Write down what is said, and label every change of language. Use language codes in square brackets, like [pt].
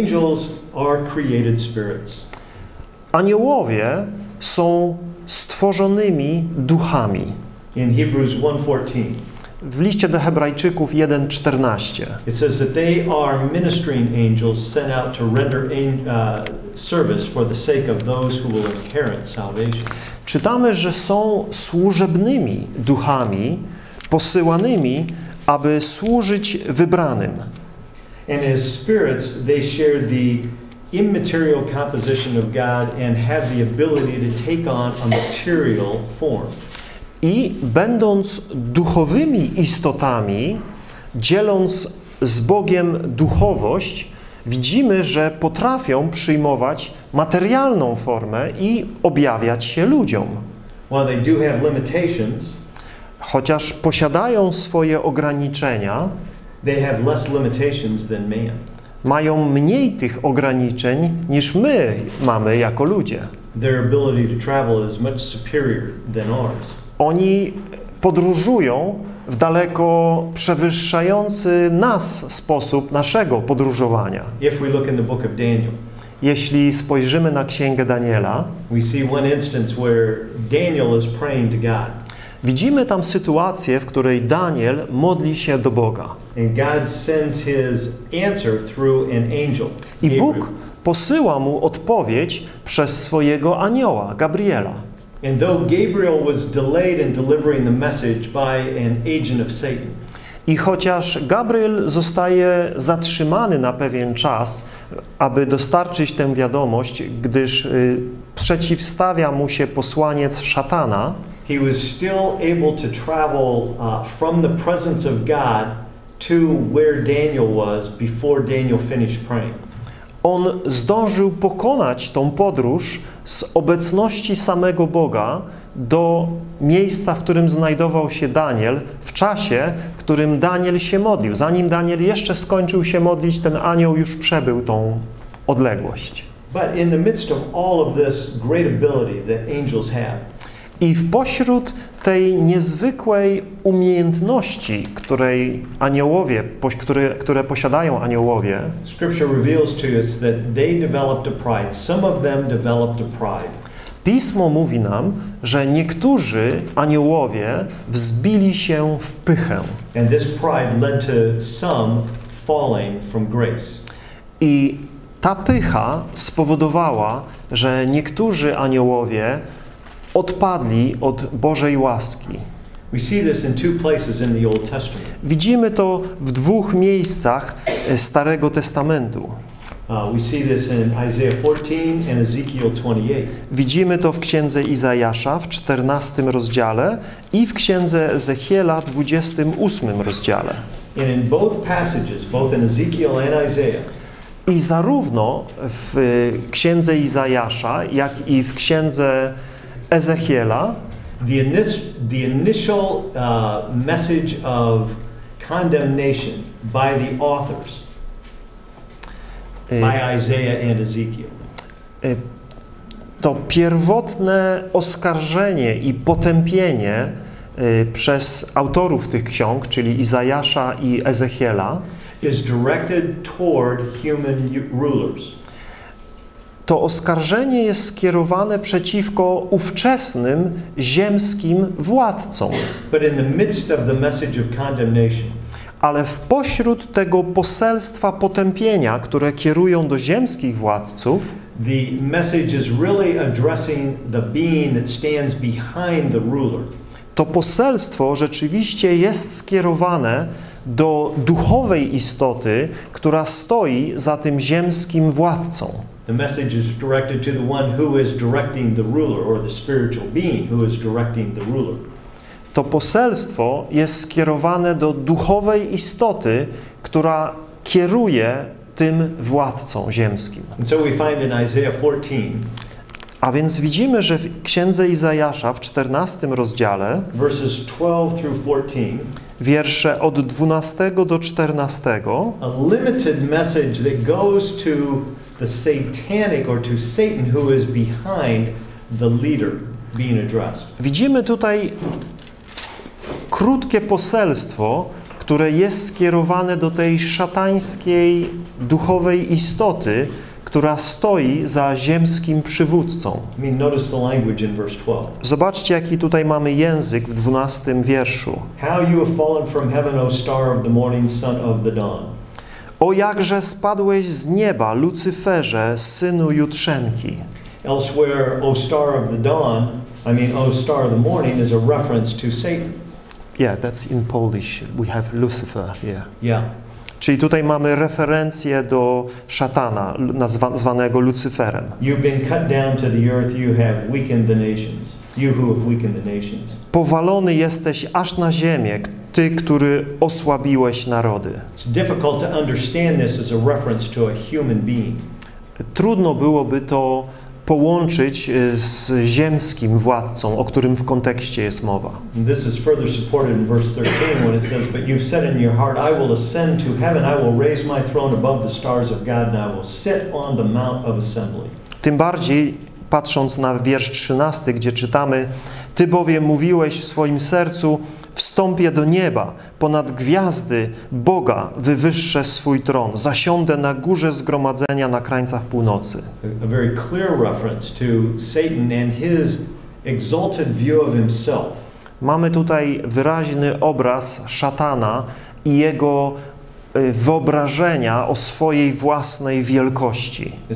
[en] Angels are created spirits. [pl] Aniołowie są stworzonymi duchami. [en] In Hebrews 1:14. [pl] W liście do Hebrajczyków 1:14. [en] It says that they are ministering angels sent out to render service for the sake of those who will inherit salvation. [pl] Czytamy, że są służebnymi duchami posyłanymi, aby służyć wybranym. [en] And as spirits, they share the immaterial composition of God and have the ability to take on a material form. [pl] I będąc duchowymi istotami, dzieląc z Bogiem duchowość, widzimy, że potrafią przyjmować materialną formę i objawiać się ludziom. [en] Well, they do have limitations, [pl] chociaż posiadają swoje ograniczenia, [en] they have less limitations than man. [pl] Mają mniej tych ograniczeń niż my mamy jako ludzie. [en] Their ability to travel is much superior than ours. [pl] Oni podróżują w daleko przewyższający nas sposób naszego podróżowania. [en] If we look in the book of Daniel, [pl] jeśli spojrzymy na Księgę Daniela, [en] we see one instance where Daniel is praying to God. [pl] Widzimy tam sytuację, w której Daniel modli się do Boga. [en] And God sends his answer through an angel, [pl] i Bóg posyła mu odpowiedź przez swojego anioła, Gabriela. [en] And though Gabriel was delayed in delivering the message by an agent of Satan, [pl] i chociaż Gabriel zostaje zatrzymany na pewien czas, aby dostarczyć tę wiadomość, gdyż przeciwstawia mu się posłaniec szatana, [en] he was still able to travel from the presence of God to where Daniel was before Daniel finished praying. [pl] On zdążył pokonać tą podróż z obecności samego Boga do miejsca, w którym znajdował się Daniel, w czasie, w którym Daniel się modlił. Zanim Daniel jeszcze skończył się modlić, ten anioł już przebył tą odległość. [en] But in the midst of all of this great ability that angels have, [pl] i w pośród tej niezwykłej umiejętności, której aniołowie, które posiadają aniołowie, [en] Scripture reveals to us that they developed a pride. Some of them developed a pride. [pl] Pismo mówi nam, że niektórzy aniołowie wzbili się w pychę. [en] And this pride led to some falling from grace. [pl] I ta pycha spowodowała, że niektórzy aniołowie odpadli od Bożej łaski. [en] We see this in two places in the Old Testament. [pl] Widzimy to w dwóch miejscach Starego Testamentu. [en] We see this in Isaiah 14 and Ezekiel 28. [pl] Widzimy to w Księdze Izajasza w 14 rozdziale i w Księdze Ezechiela 28 rozdziale. [en] And in both passages, both in Ezekiel and Isaiah, [pl] i zarówno w Księdze Izajasza, jak i w Księdze Ezechiela, [en] the initial message of condemnation by the authors, by Isaiah and Ezekiel, [pl] to pierwotne oskarżenie i potępienie przez autorów tych ksiąg, czyli Izajasza i Ezechiela, [en] is directed toward human rulers. [pl] To oskarżenie jest skierowane przeciwko ówczesnym ziemskim władcom. [en] But in the midst of the message of condemnation, [pl] ale w pośród tego poselstwa potępienia, które kierują do ziemskich władców, [en] the message is really addressing the being that stands behind the ruler. [pl] To poselstwo rzeczywiście jest skierowane do duchowej istoty, która stoi za tym ziemskim władcą. [en] The message is directed to the one who is directing the ruler, or the spiritual being who is directing the ruler. [pl] To poselstwo jest skierowane do duchowej istoty, która kieruje tym władcą ziemskim. [en] And so we find in Isaiah 14. [pl] A więc widzimy, że w Księdze Izajasza w 14 rozdziale, [en] verses 12 through 14, [pl] wiersze od 12 do 14, [en] a limited message that goes to the satanic, or to Satan, who is behind the leader being addressed. [pl] Widzimy tutaj krótkie poselstwo, które jest skierowane do tej szatańskiej duchowej istoty, która stoi za ziemskim przywódcą. [en] I mean, notice the language in verse 12. [pl] Zobaczcie, jaki tutaj mamy język w 12 wierszu. [en] How you have fallen from heaven, O star of the morning, son of the dawn. [pl] O jakże spadłeś z nieba, Lucyferze, synu jutrzenki. [en] Elsewhere, O star of the dawn, I mean, O star of the morning, is a reference to Satan. Yeah, that's in Polish. We have Lucifer here. Yeah. [pl] Czyli tutaj mamy referencję do szatana, zwanego Lucyferem. [en] You've been cut down to the earth, you have weakened the nations. You who have weakened the nations. [pl] Powalony jesteś aż na ziemię, ty, który osłabiłeś narody. [en] It's difficult to understand this as a reference to a human being. [pl] Trudno byłoby to połączyć z ziemskim władcą, o którym w kontekście jest mowa. [en] This is further supported in verse 13 when it says, but you've said in your heart, I will ascend to heaven, I will raise my throne above the stars of God, and I will sit on the mount of assembly. [pl] Tym bardziej patrząc na wiersz 13, gdzie czytamy, ty bowiem mówiłeś w swoim sercu, wstąpię do nieba, ponad gwiazdy Boga wywyższę swój tron, zasiądę na górze zgromadzenia na krańcach północy. [en] A very clear reference to Satan and his exalted view of himself. [pl] Mamy tutaj wyraźny obraz szatana i jego wyobrażenia o swojej własnej wielkości.